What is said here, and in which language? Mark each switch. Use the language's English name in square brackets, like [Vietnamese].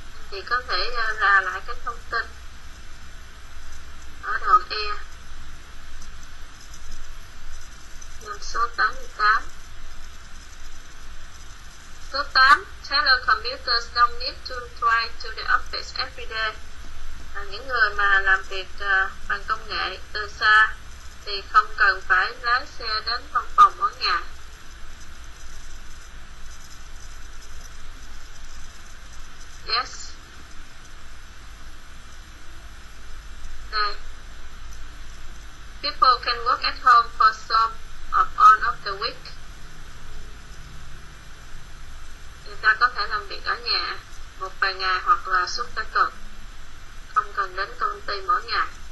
[Vietnamese] Thì có thể ra lại cái thông tin ở đoạn E, đoạn số 88. Số 8, [English] telecommuters don't need to drive to the office every day. [Vietnamese] À, những người mà làm việc bằng công nghệ từ xa thì không cần phải lái xe đến văn phòng mỗi ngày. [English] Yes. [Vietnamese] Đây. [English] People can work at home for some or all of the week. [Vietnamese] Người ta có thể làm việc ở nhà một vài ngày hoặc là suốt cả tuần, không cần đến công ty mỗi ngày.